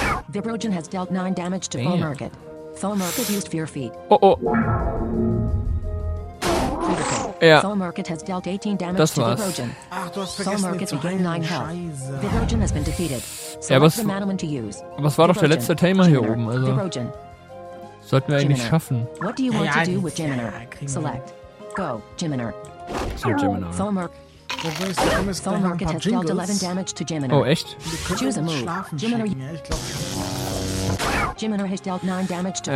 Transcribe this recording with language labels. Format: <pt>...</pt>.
<en>Vibrogen has dealt 9 damage to Foe Merkit. Foe Merkit used Fear Feet.</en> <de>Oh oh. Ja.</de> <en>Foe Merkit has dealt 18 damage</en> <de>das</de> <en>to Vibrogen. Foe Merkit gained 9 health. Vibrogen has been defeated.</en> <de>Ja, was war doch der letzte Tamer hier oben? Also, sollten wir eigentlich Jiminer. Schaffen.</de> <en>What do you want to do with Jiminer? Select. Go, Jiminer.</en> <de>So, Jiminer.</de> <en>Foe Merkit has dealt 11 damage to Jiminer.</en> <de>Oh, echt?</de> <en>Choose a move. Jiminer. Jiminer has dealt 9 damage to Foe</en>